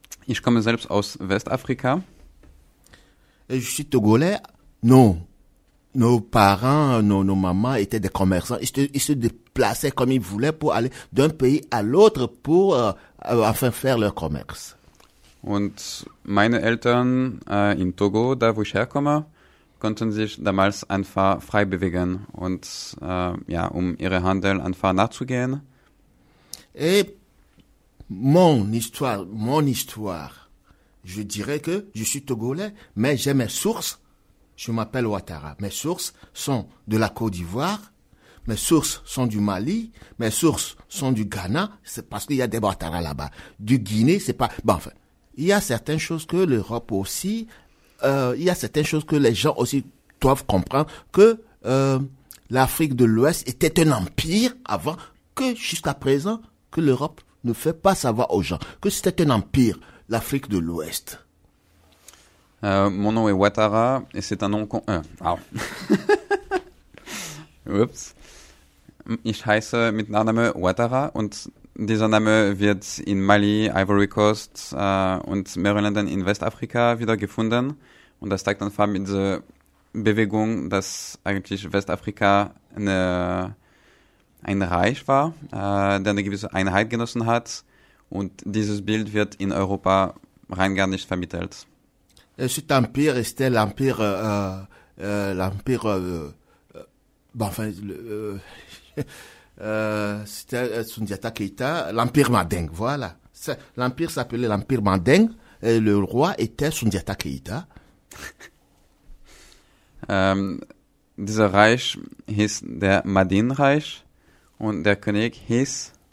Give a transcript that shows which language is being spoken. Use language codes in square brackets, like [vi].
[de] Ich komme selbst aus Westafrika. [fr] Et je suis togolais? Non. Nos parents, nos mamans étaient des commerçants. Ils se déplaçaient comme ils voulaient pour aller d'un pays à l'autre pour enfin faire leur commerce. [de] Und meine Eltern in Togo, da wo ich herkomme, konnten sich damals einfach frei bewegen und ja, um ihre Handel einfach nachzugehen. [fr] Et mon histoire, je dirais que je suis togolais, mais j'ai mes sources. Je m'appelle Ouattara. Mes sources sont de la Côte d'Ivoire, mes sources sont du Mali, mes sources sont du Ghana, c'est parce qu'il y a des Ouattara là-bas. Du Guinée, c'est pas... Bon, enfin, il y a certaines choses que l'Europe aussi... il y a certaines choses que les gens aussi doivent comprendre, que l'Afrique de l'Ouest était un empire avant, que jusqu'à présent, que l'Europe ne fait pas savoir aux gens que c'était un empire, l'Afrique de l'Ouest. Mon nom est Ouattara et c'est un nom con... Oups. [de] Ich heiße mit Nachname Ouattara und dieser Name wird in Mali, Ivory Coast und mehreren Ländern in Westafrika wiedergefunden. Und das zeigt einfach mit dieser Bewegung, dass eigentlich Westafrika ein Reich war, der eine gewisse Einheit genossen hat. Und dieses Bild wird in Europa rein gar nicht vermittelt. [fr] Et cet empire, c'était l'empire, c'était Sundiata Keita, l'empire Mandingue, voilà. L'empire s'appelait l'empire Mandingue et le roi était Sundiata Keita. [de] Dieser Reich hieß der Mandingue-Reich und der König hieß